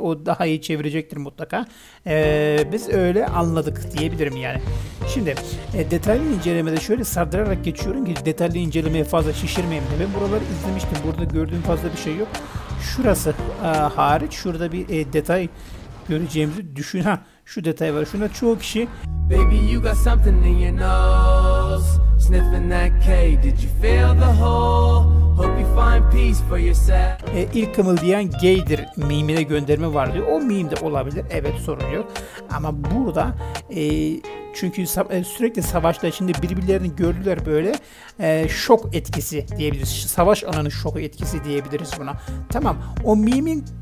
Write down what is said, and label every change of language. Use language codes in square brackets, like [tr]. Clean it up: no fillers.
[tr] O daha iyi çevirecektir mutlaka. Biz öyle anladık diyebilirim yani. Şimdi detaylı incelemede şöyle sardırarak geçiyorum ki detaylı incelemeye fazla şişirmeyeyim de. Ben buraları izlemiştim. Burada gördüğüm fazla bir şey yok. Şurası hariç. Şurada bir detay göreceğimizi düşün. Şu detay var. Şuna çoğu kişi [en] baby you got something in your nose sniffing that K, did you feel the hole, hope you find peace for yourself. [tr] İlk kımıldayan gaydir mimine gönderme var diyor. O mim de olabilir. Evet, sorun yok. Ama burada çünkü sürekli savaşta içinde birbirlerini gördüler, böyle şok etkisi diyebiliriz. Savaş alanı şok etkisi diyebiliriz buna. Tamam. O mimin